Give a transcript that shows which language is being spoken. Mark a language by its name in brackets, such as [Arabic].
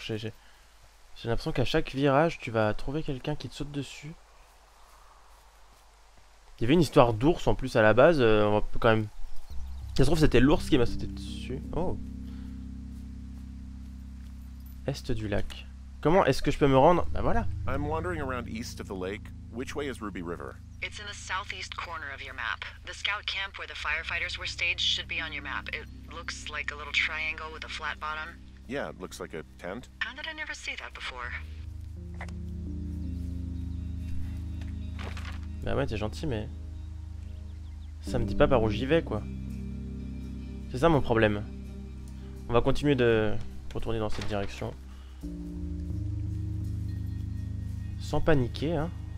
[French] J'ai l'impression qu'à chaque virage, tu vas trouver quelqu'un qui te saute dessus. Il y avait une histoire d'ours en plus à la base. On va quand même... Ça se trouve, c'était l'ours qui m'a sauté dessus. Oh. Est du lac. Comment est-ce que je peux me rendre? Bah voilà. [English] I'm wandering around east of the lake. Which way is Ruby River? It's in the southeast corner of your map. The scout camp where the firefighters were staged should be on your map. It looks like a little triangle with a flat bottom. Yeah, it looks like a tent. How did I never see that before? [French] Bah ouais, t'es gentil, mais ça me dit pas par où j'y vais, quoi. C'est ça mon problème. On va continuer de retourner dans cette direction. Sans paniquer, hein.